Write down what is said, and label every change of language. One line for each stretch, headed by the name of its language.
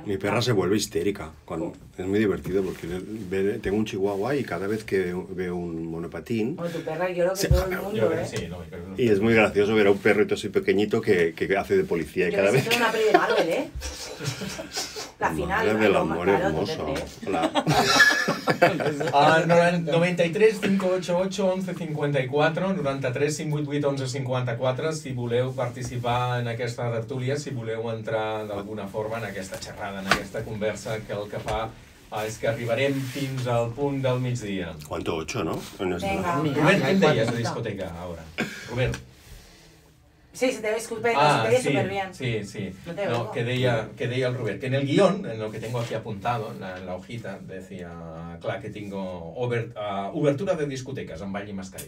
Spanish: Mi perra se vuelve histérica. Cuando... Es muy divertido porque tengo un chihuahua y cada vez que veo un monopatín... Bueno, tu perra, yo creo que todo el mundo, yo, ¿eh? Sí, no, mi perro no. Y es muy gracioso ver a un perrito así pequeñito que hace de policía. Y yo cada vez que... una peli de Marvel, ¿eh? La final. Madre del amor hermoso. Hola.
Catalan: Al 93-588-1154, 93-588-1154, si voleu participar en aquesta tertúlia, si voleu entrar d'alguna forma en aquesta xerrada, en aquesta conversa, que el que fa és que arribarem fins al punt del migdia.
Spanish: ¿Cuánto 8, no? Venga, mira. Robert, ¿quién
Catalan: deies
Spanish: de discoteca, ahora? Robert. Sí, se te ve súper bien. Sí, sí. No,
Catalan: que deia el Robert,
Spanish: que en el guión, en lo que tengo aquí apuntado, en la hojita, decía, claro, que tengo obertura de discotecas en Vall i Mascarell.